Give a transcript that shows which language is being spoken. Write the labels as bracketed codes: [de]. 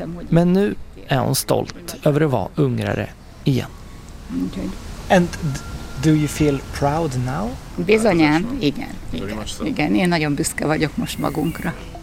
[sv] Men nu är hon stolt över att vara ungrare igen. [en] And do you feel proud now? [hu] Bizonyán, igen. Igen, én nagyon büszke vagyok most magunkra.